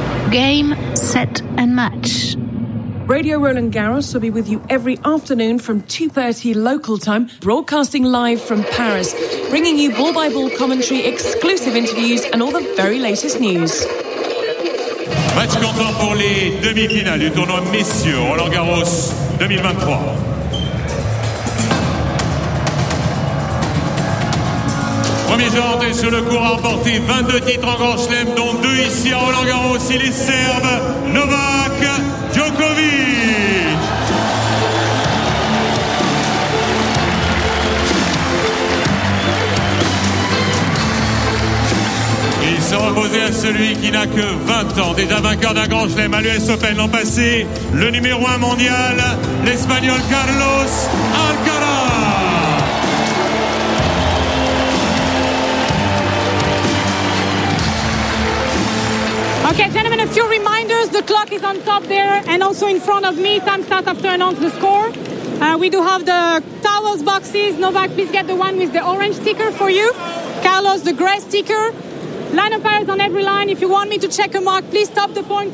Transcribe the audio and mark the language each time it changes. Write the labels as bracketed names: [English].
[English] Game, set, and match. Radio Roland Garros will be with you every afternoon from 2:30 local time, broadcasting live from Paris, bringing you ball-by-ball commentary, exclusive interviews, and all the very latest news. [French] Match comptant pour les demi-finales du tournoi Messieurs Roland Garros 2023. Premier joueur entré sur le court a remporté 22 titres en Grand Chelem, dont 2 ici à Roland Garros. Il est serbe, Novak Djokovic. Il se reposait à celui qui n'a que 20 ans, déjà vainqueur d'un Grand Chelem à l'US Open l'an passé, le numéro 1 mondial, l'Espagnol Carlos Alcaraz. [English] Okay, gentlemen, a few reminders. The clock is on top there and also in front of me. Time starts after I announce the score. We do have the towels boxes. Novak, please get the one with the orange sticker for you. Carlos, the gray sticker. Line umpires on every line. If you want me to check a mark, please stop the point.